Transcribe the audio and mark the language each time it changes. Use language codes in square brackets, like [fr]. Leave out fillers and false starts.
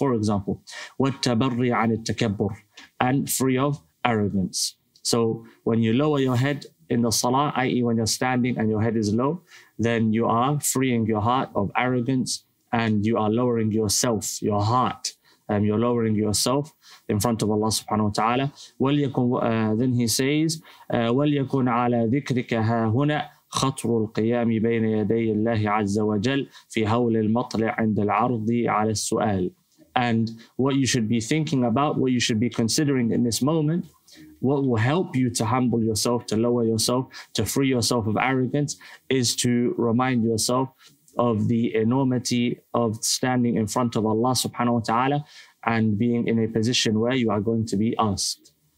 [en] For example, [ar] وَالتَّبَرِّي عَنِ التَّكَبُّرِ, [en] and free of arrogance. So when you lower your head in the salah, i.e. when you're standing and your head is low, then you are freeing your heart of arrogance, and you are lowering yourself, your heart. You're lowering yourself in front of Allah subhanahu wa ta'ala. Then he says, [ar] وَلْيَكُنْ عَلَى ذِكْرِكَ هَا هُنَا خطر القيام بين يدي الله عز وجل في هول المطلع عند العرض على السؤال. [en] And what you should be thinking about, what you should be considering in this moment, what will help you to humble yourself, to lower yourself, to free yourself of arrogance, is to remind yourself of the enormity of standing in front of Allah subhanahu wa ta'ala and being in a position where you are going to be asked.